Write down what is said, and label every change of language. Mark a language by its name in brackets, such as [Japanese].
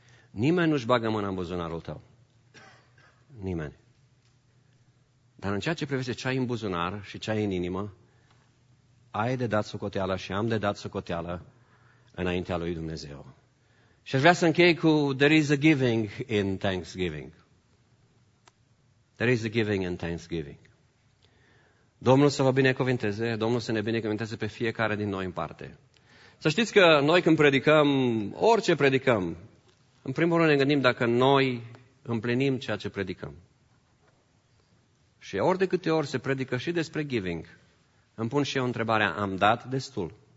[Romanian] Nimeni nu-și bagă mâna în buzunarul tău. Nimeni. Dar în ceea ce privește ce ai în buzunar și ce ai în inimă, ai de dat socoteală și am de dat socoteală înaintea lui Dumnezeu. Și aș vrea să închei cu [English] there is a giving in thanksgiving. There is a giving in thanksgiving. [Romanian] Domnul să vă binecuvinteze, Domnul să ne binecuvinteze pe fiecare din noi în parte. Să știți că noi când predicăm, orice predicăm, în primul rând ne gândim dacă noi împlinim ceea ce predicăm. Și ori de câte ori se predică și despre giving, îmi pun și eu întrebarea, am dat destul?